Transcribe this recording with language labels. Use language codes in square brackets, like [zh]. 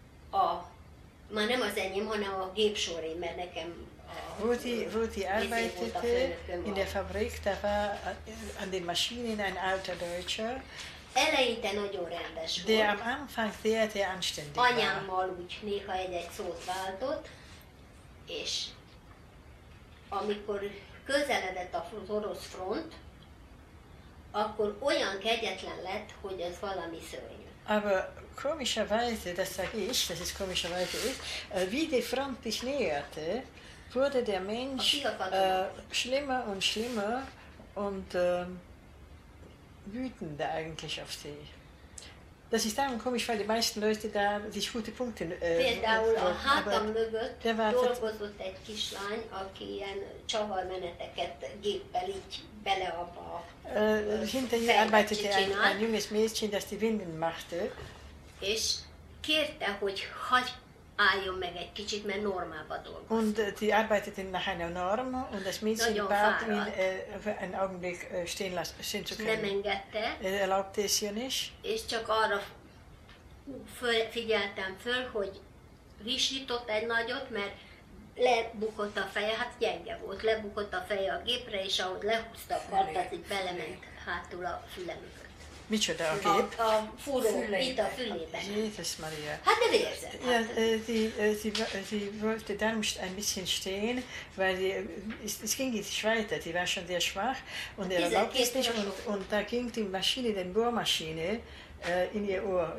[hu] A már nem az enyém, hanem a gépsoré, mert nekem [de] Ruti arbeitete in der Fabrik, da war an den Maschinen ein alter Deutscher. [hu] Eleinte nagyon rendes volt. [de] De am Anfang sehr, sehr anständig. [hu] Anyámmal úgy néha egy-egy szót váltott, és amikor közeledett az orosz front, akkor olyan kegyetlen lett, hogy ez valami szörnyű. [de] Aber komischerweise, das sage ich, das ist komischerweise ich, wie die Front sich näherte, wurde der Mensch schlimmer und schlimmer und wütend eigentlich auf sie. Das ist dann komisch, weil die meisten Leute da sich gute Punkte [hu] Például a hátam mögött dolgozott egy kislány, aki ilyen csavarmeneteket géppel így bele abba [de] hinter ihr arbeitete ein junges Mädchen, das die Winden machte. [hu] És kérte, hogy hagy álljon meg egy kicsit, mert normálba dolgozott. [de] Und die arbeitete nach einer Norm, und das Mädchen bat ihn einen Augenblick stehen lassen zu können. [hu] Nem engedte. [de] Erlaubte es ihr nicht. [hu] És csak arra figyeltem föl, hogy visított egy nagyot, mert lebukott a feje, hát gyenge volt, lebukott a feje a gépre, és ahogy lehúzta a kart, az így belement hátul a fülemükre. Micsoda a gép? A fúró, itt a fülében. Jézus Maria. Hát de vérzett. [de] Ja, sie wollte dann ein bisschen stehen, weil es ging nicht weiter, die war schon sehr schwach und er erlaubte es nicht. Und da ging die Maschine, die Bohrmaschine, in ihr Ohr.